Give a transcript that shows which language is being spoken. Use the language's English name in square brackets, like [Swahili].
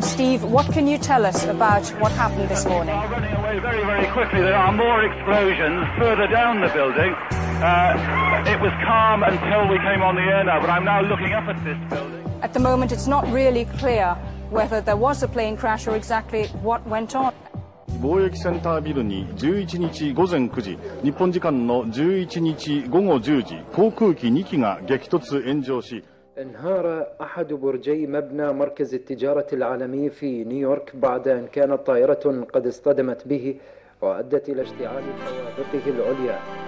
[English] Steve, what can you tell us about what happened this morning? They are running away very, very quickly. There are more explosions further down the building. It was calm until we came on the air now, but I'm now looking up at this building. At the moment, it's not really clear whether there was a plane crash or exactly what went on. [Japanese] 貿易センタービルに11日午前9時、日本時間の11日午後10時、航空機2機が激突炎上し、 [Arabic] انهار أحد برجي مبنى مركز التجارة العالمي في نيويورك بعد أن كانت طائرة قد اصطدمت به وأدت إلى اشتعال طوابقه العليا.